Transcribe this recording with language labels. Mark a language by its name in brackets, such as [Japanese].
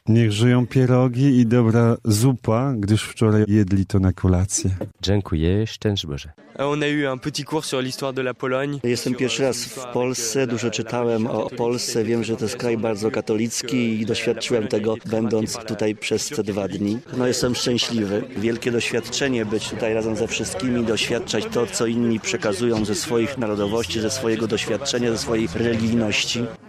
[Polish] Niech żyją pierogi i dobra zupa, gdyż wczoraj jedli to na kolację. Dziękuję, szczęść Boże. [French] On a eu un petit cours sur l'histoire de la Pologne. [Polish] Jestem pierwszy raz w Polsce, dużo czytałem o Polsce, wiem, że to jest kraj bardzo katolicki i doświadczyłem tego, będąc tutaj przez te dwa dni. No jestem szczęśliwy. Wielkie doświadczenie być tutaj razem ze wszystkimi, doświadczać to, co inni przekazują ze swoich narodowości, ze swojego doświadczenia, ze swojej religijności.